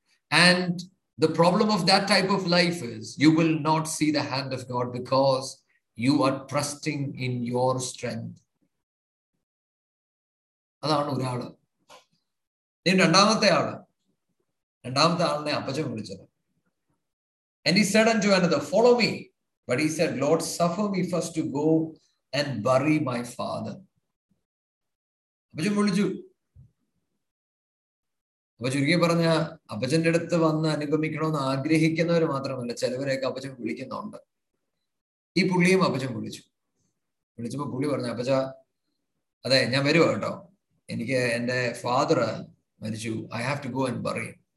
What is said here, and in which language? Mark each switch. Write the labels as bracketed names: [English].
[English] And the problem of that type of life is you will not see the hand of God because you are trusting in your strength. [Malayalam] അതാണ് ഒരാള്. ഇനി രണ്ടാമത്തെ ആള്, രണ്ടാമത്തെ ആളിനെ അപ്പച്ചൻ വിളിച്ചത്. [English] And he said unto another, follow me. But he said, Lord, suffer me first to go and bury my father. [Malayalam] അപ്പച്ചൻ വിളിച്ചു. അപ്പൊ ചുരുക്കി പറഞ്ഞ അപ്പച്ചന്റെ അടുത്ത് വന്ന് അനുഗമിക്കണമെന്ന് ആഗ്രഹിക്കുന്നവർ മാത്രമല്ല, ചിലവരെയൊക്കെ അപ്പച്ചൻ വിളിക്കുന്നുണ്ട്. ഈ പുള്ളിയും അപ്പച്ചൻ വിളിച്ചു. വിളിച്ചപ്പോ പുള്ളി പറഞ്ഞു, അപ്പച്ച അതെ ഞാൻ വരുവാ കേട്ടോ, എനിക്ക് എന്റെ ഫാദർ മരിച്ചു, [English] I have to go and bury.